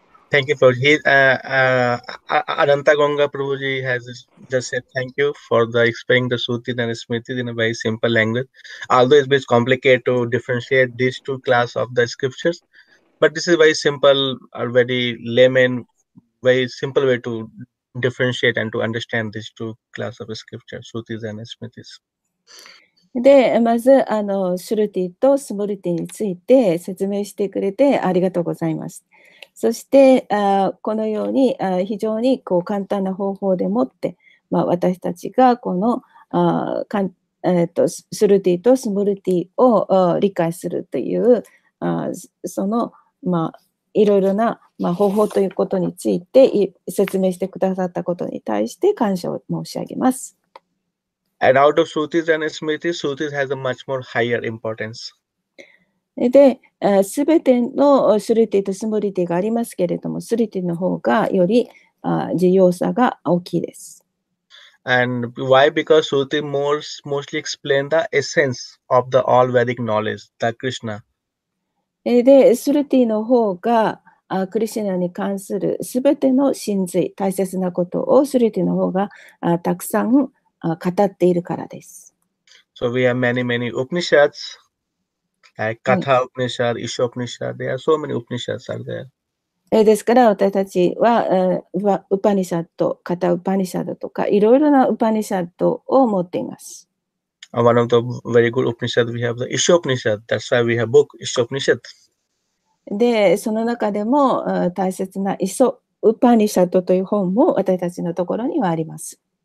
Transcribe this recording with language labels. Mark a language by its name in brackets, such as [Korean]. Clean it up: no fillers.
[English] Thank you for his Adanta Ganga Prabhuji has just said thank you for the explaining the Shruti and Smriti in a very simple language. Although it's a bit complicated to differentiate these two class of the scriptures, but this is very simple, a very layman, very simple way to differentiate and to understand these two class of scriptures, Shruti and Smriti. [Japanese] で、まず、シュルティとスムルティについて説明してくれてありがとうございます。そして、このように非常にこう簡単な方法でもって、まあ、私たちがこのシュルティとスムルティを理解するという、その、まあ、いろいろな、まあ、方法ということについて説明してくださったことに対して感謝を申し上げます。 [English] And out of Shrutis and Smritis, Shrutis has a much more higher importance. [Japanese] で、すべてのスルティとスムリティがありますけれども、スルティの方がより重要さが大きいです。 [English] And why? Because Shruti mostly explains the essence of the all Vedic knowledge, the Krishna. [Japanese] で、スルティの方がクリシナに関するすべての真髄、大切なことをスルティの方がたくさん語っているからです。 [English] So we have many, many Upanishads, like Katha Upanishad, Isha Upanishad. There are so many Upanishads are there. [Japanese] ですから私たちは、ウパニシャット、カタウパニシャドとか、いろいろなウパニシャットを持っています。 [English] One of the very good Upanishad we have the Isha Upanishad. That's why we have book Isha Upanishad. [Japanese] で、その中でも大切なイソウパニシャットという本も私たちのところにはあります。